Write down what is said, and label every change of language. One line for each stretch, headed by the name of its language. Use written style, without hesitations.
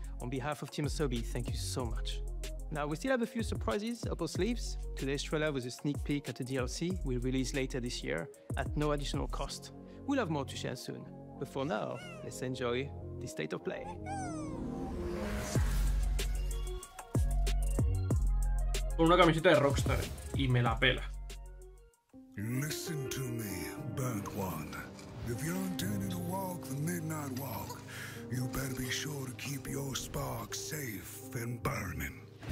English: On behalf of Team Asobi, thank you so much. Now, we still have a few surprises up our sleeves. Today's trailer was a sneak peek at the DLC we'll release later this year at no additional cost. We'll have more to share soon. But for now, let's enjoy the state of play.
Spanish: Con una camiseta de Rockstar y me la pela.
English: Listen to me, burnt one. If you're intending to walk the midnight walk, you better be sure to keep your spark safe and burning.